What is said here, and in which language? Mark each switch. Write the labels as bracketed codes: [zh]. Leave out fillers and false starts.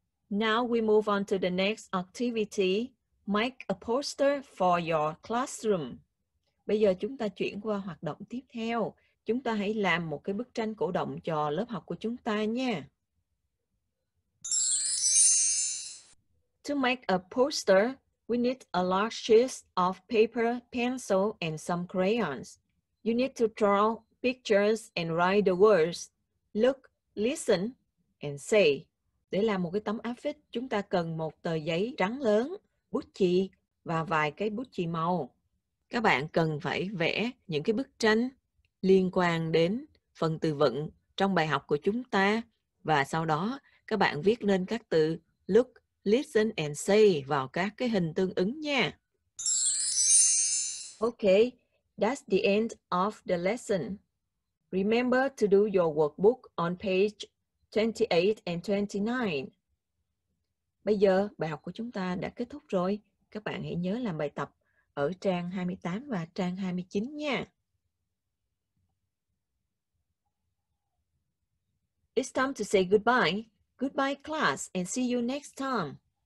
[en] Now we move on to the next activity. Make a poster for your classroom. [vi] Bây giờ chúng ta chuyển qua hoạt động tiếp theo. Chúng ta hãy làm một cái bức tranh cổ động cho lớp học của chúng ta nha. [en] To make a poster, we need a large sheet of paper, pencil, and some crayons. You need to draw pictures and write the words. Look, listen, and say. [vi] Để làm một cái tấm áp phích, chúng ta cần một tờ giấy trắng lớn, bút chì và vài cái bút chì màu. Các bạn cần phải vẽ những cái bức tranh liên quan đến phần từ vựng trong bài học của chúng ta. Và sau đó, các bạn viết lên các từ [en] look, listen and say [vi] vào các cái hình tương ứng nha. [en] Okay, that's the end of the lesson. Remember to do your workbook on page 28 and 29. [vi] Bây giờ, bài học của chúng ta đã kết thúc rồi. Các bạn hãy nhớ làm bài tập ở trang 28 và trang 29 nha. [en] It's time to say goodbye. Goodbye class and see you next time.